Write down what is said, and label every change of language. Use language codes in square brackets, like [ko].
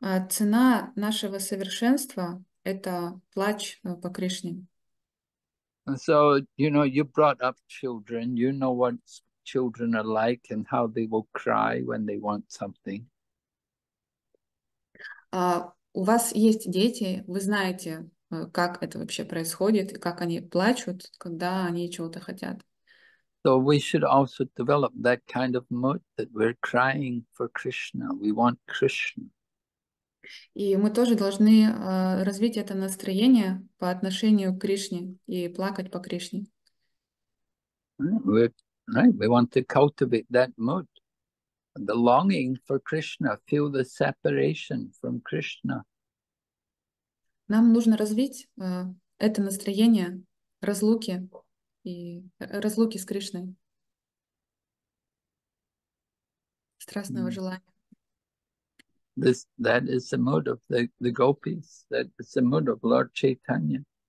[ru] Цена нашего совершенства — это плач по Кришне. [en] And so, you know, you brought up children. You know what children are like and how they will cry when they want something. [ru] У вас есть дети. Вы знаете, как это вообще происходит, и как они плачут, когда они чего-то хотят. [en] So we should also develop that kind of mood that we're crying for Krishna. We want Krishna. [ru] И мы тоже должны развить это настроение по отношению к Кришне и плакать по Кришне. [en] We want to cultivate that mood, the longing for Krishna, feel the separation from Krishna. [ru] Нам нужно развить это настроение разлуки и разлуки с Кришной, страстного желания. [en] That is the mood of the gopis. That is the mood of Lord Chaitanya.